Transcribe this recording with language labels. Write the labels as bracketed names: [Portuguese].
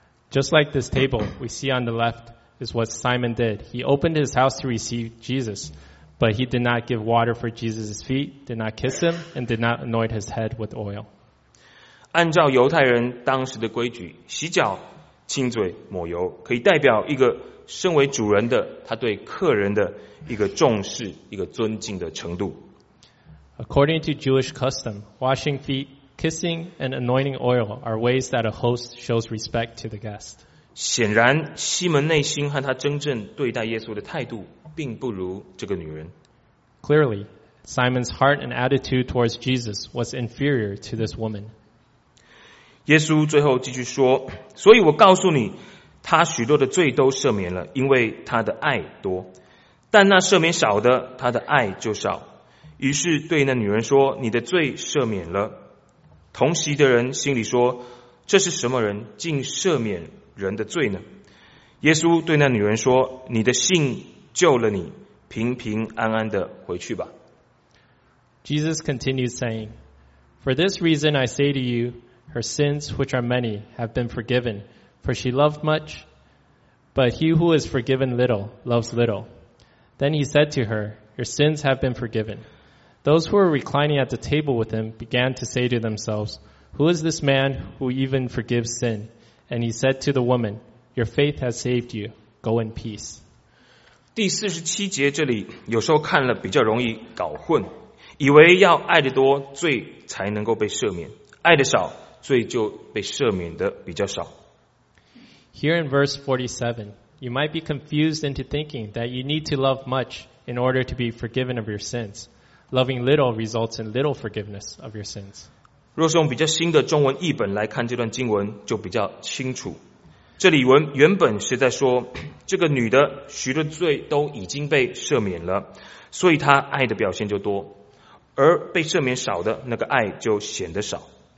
[English] Just like this table we see on the left is what Simon did. He opened his house to receive Jesus, but he did not give water for Jesus' feet, did not kiss him, and did not anoint his head with oil. [Chinese] 按照犹太人当时的规矩，洗脚、亲嘴、抹油，可以代表一个身为主人的，他对客人的一个重视、一个尊敬的程度。 [English] According to Jewish custom, washing feet, kissing, and anointing oil are ways that a host shows respect to the guest. [Chinese] 显然，西门内心和他真正对待耶稣的态度并不如这个女人。 [English] Clearly, Simon's heart and attitude towards Jesus was inferior to this woman. [Chinese] 耶稣最后继续说，所以我告诉你，他许多的罪都赦免了，因为他的爱多。但那赦免少的，他的爱就少。于是对那女人说，你的罪赦免了。同席的人心里说，这是什么人，竟赦免人的罪呢？耶稣对那女人说，你的信救了你，平平安安的回去吧。 [English] Jesus continued saying, For this reason I say to you, her sins which are many have been forgiven, for she loved much, but he who is forgiven little loves little. Then he said to her, Your sins have been forgiven. Those who were reclining at the table with him began to say to themselves, Who is this man who even forgives sin? And he said to the woman, Your faith has saved you. Go in peace. [Chinese] 第四十七节这里有时候看了比较容易搞混，以为要爱得多罪才能够被赦免，爱得少罪就被赦免的比较少。 [English] Here in verse 47, you might be confused into thinking that you need to love much in order to be forgiven of your sins. Loving little results in little forgiveness of your sins. [Chinese] 若是用比较新的中文译本来看这段经文，就比较清楚。这里原本是在说，这个女的许多罪都已经被赦免了，所以她爱的表现就多，而被赦免少的那个爱就显得少。